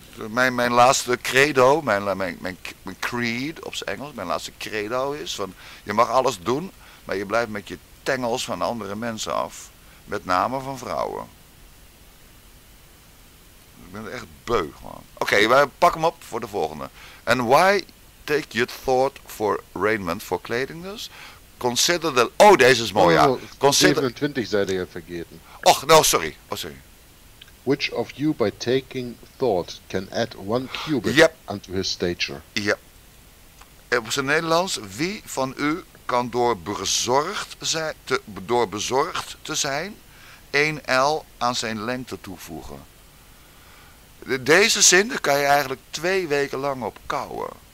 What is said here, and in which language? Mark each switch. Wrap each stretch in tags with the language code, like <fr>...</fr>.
<nl>mijn laatste credo, mijn creed op z'n Engels, mijn laatste credo is van je mag alles doen, maar je blijft met je tengels van andere mensen af. Met name van vrouwen. Ik ben echt beu gewoon. Oké, pak hem op voor de volgende.</nl> <en>And why take your thought for raiment, for</en> <nl>kleding dus?</nl> <en>Consider the...</en> <nl>Oh, deze is mooi, ja. 27 zei je vergeten. Oh, sorry.</nl> <en>Which of you by taking thought can add one cubit unto his stature?</en> <nl>Ja. Yep. Op zijn Nederlands, wie van u kan door bezorgd te zijn, 1 L aan zijn lengte toevoegen? Deze zin kan je eigenlijk 2 weken lang op kouwen.</nl>